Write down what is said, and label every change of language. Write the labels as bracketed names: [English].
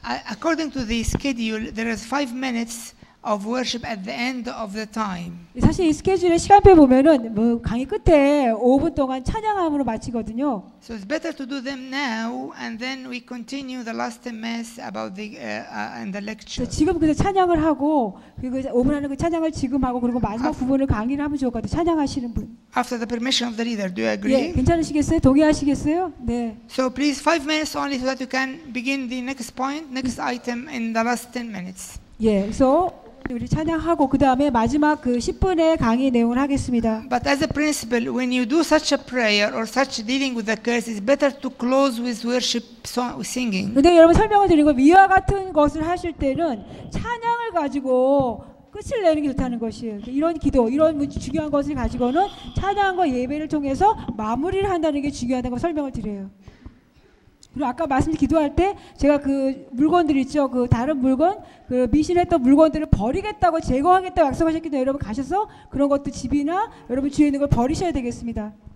[English] According to the schedule, there is 5 minutes of worship at the end of the time. [Korean] 사실 이 스케줄의 시간표 보면은 뭐 강의 끝에 5분 동안 찬양함으로 마치거든요. [English] So it's better to do them now, and then we continue the last mass about the and the lecture. [Korean] 지금 그 찬양을 하고 그리고 5분 안에 그 찬양을 지금 하고 그리고 마지막 부분을 강의를 하면 좋거든요. 찬양하시는 분. [English] After the permission of the leader, do you agree? [Korean] 예, 괜찮으시겠어요? 동의하시겠어요? 네. [English] So please 5 minutes only so that you can begin the next point, next item in the last 10 minutes. [Korean] 예, 그래서 우리 찬양하고 그 다음에 마지막 그 10분의 강의 내용을 하겠습니다. [English] But as a principle, when you do such a prayer or such dealing with the curse, it's better to close with worship song, singing. [Korean] 근데 여러분 설명을 드리고 위와 같은 것을 하실 때는 찬양을 가지고 끝을 내는 게 좋다는 것이에요. 이런 기도, 이런 중요한 것을 가지고는 찬양과 예배를 통해서 마무리를 한다는 게 중요하다고 설명을 드려요. 그리고 아까 말씀드린 기도할 때 제가 그 물건들 있죠. 그 다른 물건, 그 미신했던 물건들을 버리겠다고 제거하겠다고 약속하셨기 때문에 여러분 가셔서 그런 것도 집이나 여러분 주위에 있는 걸 버리셔야 되겠습니다.